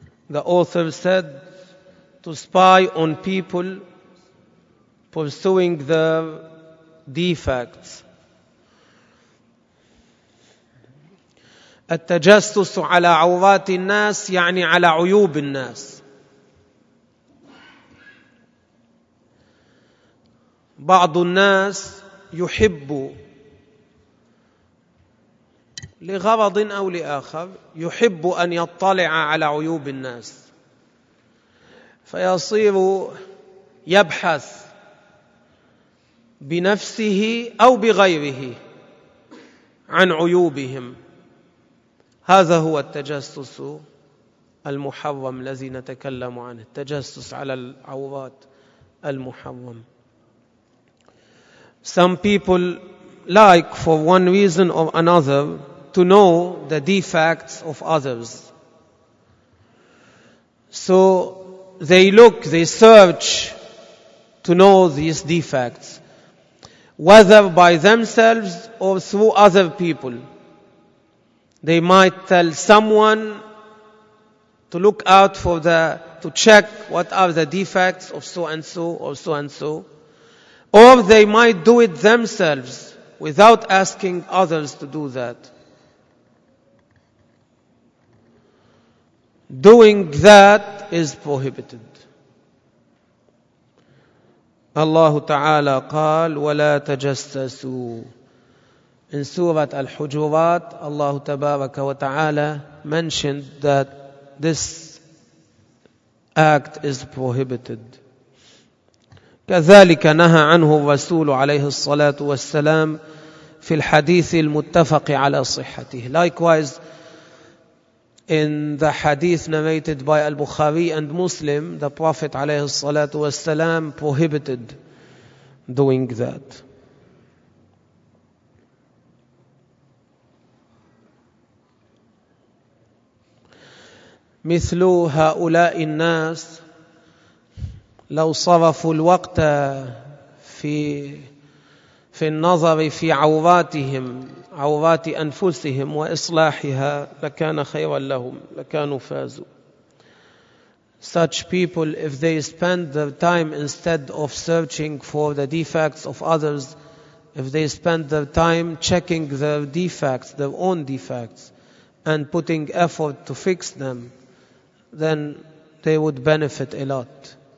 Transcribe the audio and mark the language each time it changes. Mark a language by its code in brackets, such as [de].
[en] The author said to spy on people pursuing their defects. [ar] التجسس على عورات الناس يعني على عيوب الناس. بعض الناس يحب لغرض أو لآخر يحب أن يطلع على عيوب الناس فيصير يبحث بنفسه أو بغيره عن عيوبهم. هذا هو التجسس المحرم الذي نتكلم عنه, التجسس على العورات المحرم. [en] Some people like, for one reason or another, to know the defects of others. So they look, they search to know these defects, whether by themselves or through other people. They might tell someone to look out for the, to check what are the defects of so-and-so or so-and-so. Or they might do it themselves without asking others to do that. Doing that is prohibited. [ar] Allah Ta'ala قال وَلَا تَجَسَّسُوا. [en] In Surah Al-Hujurat, Allah Tabarak wa Ta'ala mentioned that this act is prohibited. [ar] كذلك نهى عنه الرسول عليه الصلاة والسلام في الحديث المتفق على صحته. [en] Likewise, in the hadith narrated by Al-Bukhari and Muslim, the Prophet [ar] عليه الصلاة والسلام [en] prohibited doing that. [ar] مثل هؤلاء الناس لو صرفوا الوقت في النظر في عوراتهم, عورات أنفسهم وإصلاحها لكان خيرا لهم, لكانوا فازوا. [en] Such people, if they spend their time instead of searching for the defects of others, if they spend their time checking their defects, their own defects, and putting effort to fix them, then they would benefit a lot.